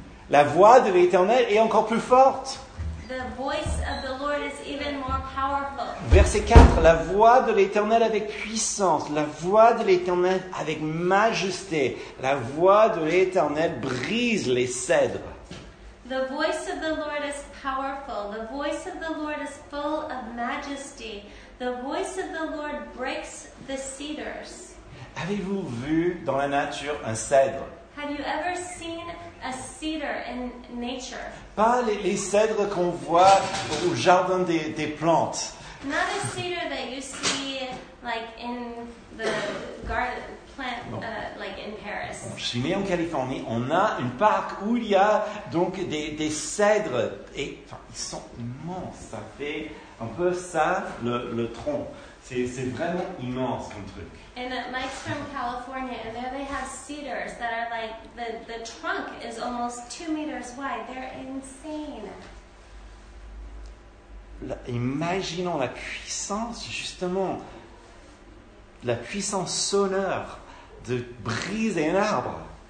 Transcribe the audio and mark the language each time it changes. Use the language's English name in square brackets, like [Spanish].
[French] La voix de l'Éternel est encore plus forte. [English] The voice of the Lord is even more powerful. [French] Verset 4, la voix de l'Éternel avec puissance, la voix de l'Éternel avec majesté, la voix de l'Éternel brise les cèdres. [English] The voice of the Lord is powerful. The voice of the Lord is full of majesty. The voice of the Lord breaks the cedars. [French] Avez-vous vu dans la nature un cèdre? [English] Have you ever seen a cedar in nature? [French] Pas les cèdres qu'on voit au jardin des plantes. [English] Not a cedar that you see like in the garden plant like in Paris. [French] Bon, je suis né en Californie, on a un parc où il y a donc des cèdres et enfin ils sont immenses, ça fait un peu ça le tronc. C'est vraiment immense comme truc. [English] And Mike's from California, and there they have cedars that are like the trunk is almost 2 meters wide. They're insane. [French] Imaginons la puissance, justement, la puissance sonore de briser un arbre.